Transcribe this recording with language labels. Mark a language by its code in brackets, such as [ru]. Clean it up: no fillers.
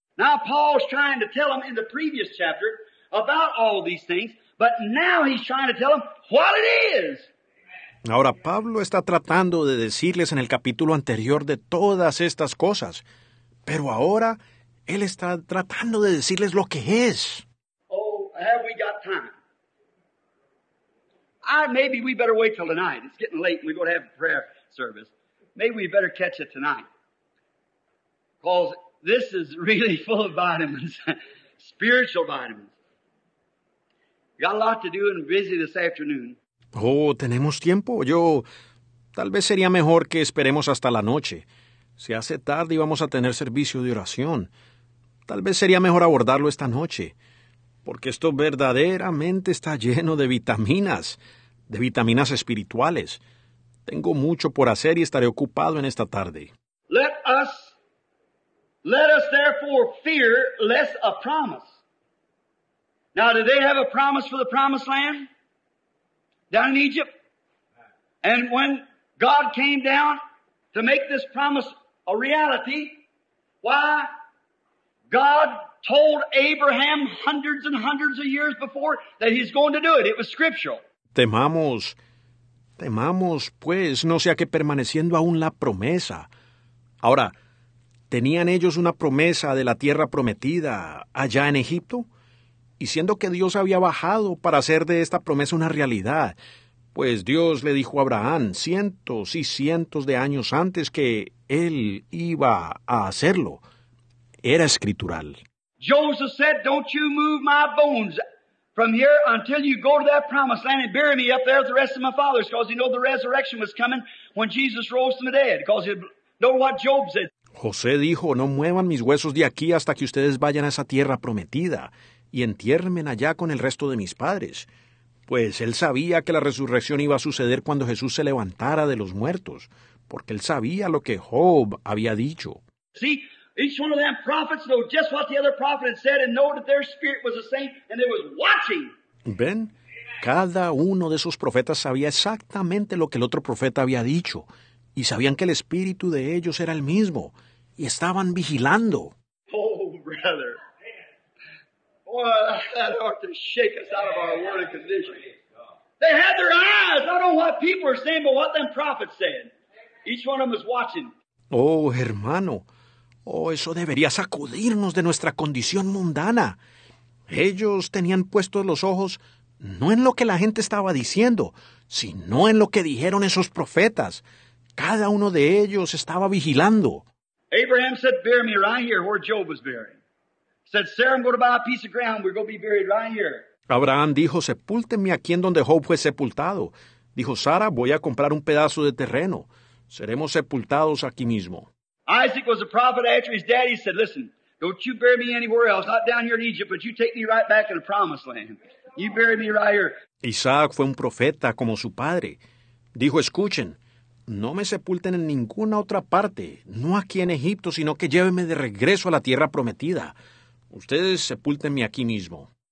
[en] Now Paul's trying to tell them in the previous chapter about all these things, but now he's trying to tell them what it is. [es] Ahora Pablo está tratando de decirles en el capítulo anterior de todas estas cosas, pero ahora él está tratando de decirles lo que es. [en] Oh, have we got time? Maybe we better wait till tonight. It's getting late and we're going to have a prayer service. Maybe we better catch it tonight. Because this is really full of vitamins, spiritual vitamins. Got a lot to do and busy this afternoon. [es] Oh, ¿tenemos tiempo? Tal vez sería mejor que esperemos hasta la noche. Se hace tarde y vamos a tener servicio de oración. Tal vez sería mejor abordarlo esta noche, porque esto verdaderamente está lleno de vitaminas espirituales. Tengo mucho por hacer y estaré ocupado en esta tarde. [en] Let us therefore fear lest a promise. Now, did they have a promise for the promised land? Down in Egypt? And when God came down to make this promise a reality, why? God told Abraham hundreds and hundreds of years before that he's going to do it. It was scriptural. [es] Temamos, pues, no sea que permaneciendo aún la promesa. Ahora, ¿tenían ellos una promesa de la tierra prometida allá en Egipto? Y siendo que Dios había bajado para hacer de esta promesa una realidad, pues Dios le dijo a Abraham cientos y cientos de años antes que él iba a hacerlo. Era escritural. [en] Joseph said, don't you move my bones from here until you go to that promised land and bury me up there with the rest of my fathers, because you know the resurrection was coming when Jesus rose from the dead, because you know what Job said. [es] José dijo, no muevan mis huesos de aquí hasta que ustedes vayan a esa tierra prometida y entiérmen allá con el resto de mis padres, pues él sabía que la resurrección iba a suceder cuando Jesús se levantara de los muertos, porque él sabía lo que Job había dicho. [en] See, each one of them prophets know just what the other prophet had said and know that their spirit was the same and they was watching. [es] ¿Ven? Cada uno de esos profetas sabía exactamente lo que el otro profeta había dicho y sabían que el espíritu de ellos era el mismo y estaban vigilando. [en] Oh, brother. Well, that ought to shake us out of our worldly condition. They had their eyes. I don't know what people were saying, but what them prophets said. Each one of them was watching. [es] Oh, hermano. Oh, eso debería sacudirnos de nuestra condición mundana. Ellos tenían puestos los ojos no en lo que la gente estaba diciendo, sino en lo que dijeron esos profetas. Cada uno de ellos estaba vigilando. [en] Abraham said, bury me right here where Job was buried. Said, Sarah, I'm going to buy a piece of ground. We're going to be buried right here. [es] Abraham dijo, sepúltenme aquí en donde Job fue sepultado. Dijo, Sara, voy a comprar un pedazo de terreno. Seremos sepultados aquí mismo. [en] Isaac was a prophet after his daddy said, listen, don't you bury me anywhere else, not down here in Egypt, but you take me right back in the promised land. You bury me right here. [es] Isaac fue un profeta como su padre. Dijo, escuchen, no me sepulten en ninguna otra parte, no aquí en Egipto, sino que llévenme de regreso a la tierra prometida. Ustedes sepúltenme aquí mismo.